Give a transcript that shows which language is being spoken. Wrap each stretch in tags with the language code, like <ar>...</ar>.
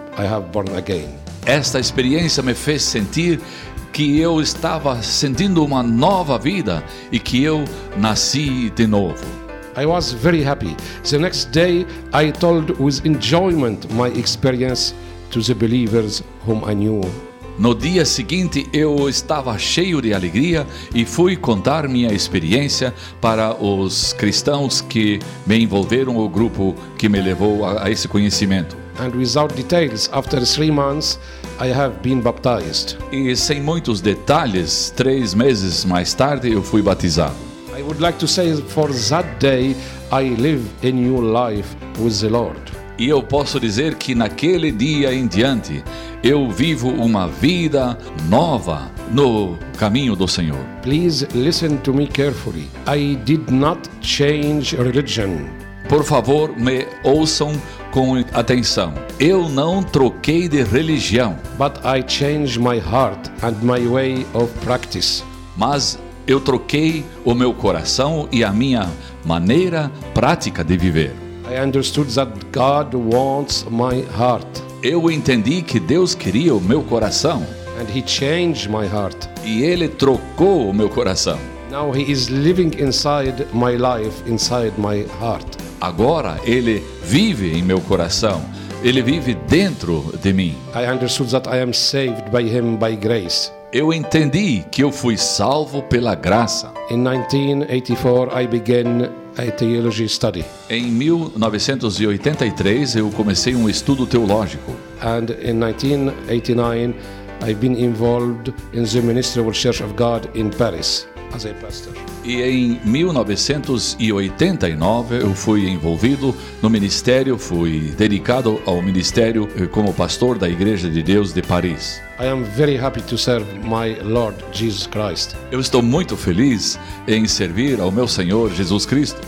<en>I have born again.</en> <pt>Esta experiência me fez sentir que eu estava sentindo uma nova vida e que eu nasci de novo.</pt> <en>I was very happy. The next day, I told with enjoyment my experience to the believers whom I knew.</en> <pt>No dia seguinte, eu estava cheio de alegria e fui contar minha experiência para os cristãos que me envolveram, o grupo que me levou a esse conhecimento.</pt> <en>And without details, after 3 months, I have been baptized.</en> <pt>E sem muitos detalhes, 3 meses mais tarde, eu fui batizado.</pt> <en>I would like to say for that day I live a new life with the Lord.</en> <pt>E eu posso dizer que naquele dia em diante eu vivo uma vida nova no caminho do Senhor.</pt> <en>Please listen to me carefully. I did not change religion.</en> <pt>Por favor, me ouçam com atenção. Eu não troquei de religião.</pt> <en>But I changed my heart and my way of practice.</en> <pt>Mas eu troquei o meu coração e a minha maneira prática de viver.</pt> <en>I understood that God wants my heart.</en> <pt>Eu entendi que Deus queria o meu coração.</pt> <en>And he changed my heart.</en> <pt>E Ele trocou o meu coração.</pt> <en>Now he is living inside my life, inside my heart.</en> <pt>Agora Ele vive em meu coração. Ele vive dentro de mim.</pt> <en>I understood that I am saved by him by grace.</en> <pt>Eu entendi que eu fui salvo pela graça.</pt> <en>In 1984, I began a theology study.</en> <pt>Em 1983, eu comecei um estudo teológico.</pt> <en>And in 1989, I've been involved in the ministry of the Church of God in Paris as a pastor.</en> <pt>E em 1989, eu fui envolvido no ministério, fui dedicado ao ministério como pastor da Igreja de Deus de Paris.</pt> <en>I am very happy to serve my Lord Jesus Christ.</en> <pt>Eu estou muito feliz em servir ao meu Senhor Jesus Cristo.</pt>